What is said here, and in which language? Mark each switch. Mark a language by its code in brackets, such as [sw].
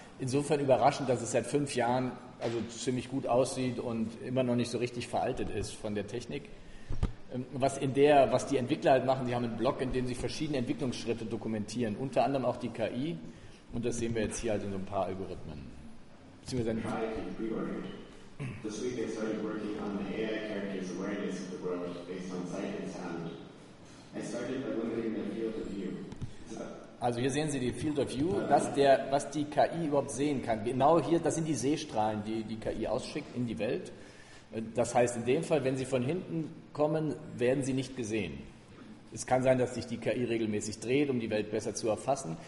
[de] Insofern überraschend, dass es seit 5 Jahren also ziemlich gut aussieht und immer noch nicht so richtig veraltet ist von der Technik. Was die Entwickler halt machen, die haben einen Blog, in dem sie verschiedene Entwicklungsschritte dokumentieren, unter anderem auch die KI, und das sehen wir jetzt hier halt in so ein paar Algorithmen. Beziehungsweise [en] Hi, I'm Gregor. This week they started working on the AI character's awareness of the world based on sight and sound. I started by limiting the field of view. [de] Also hier sehen Sie die Field of View, was die KI überhaupt sehen kann. Genau hier, das sind die Sehstrahlen, die die KI ausschickt in die Welt. Das heißt, in dem Fall, wenn Sie von hinten kommen, werden Sie nicht gesehen. Es kann sein, dass sich die KI regelmäßig dreht, um die Welt besser zu erfassen.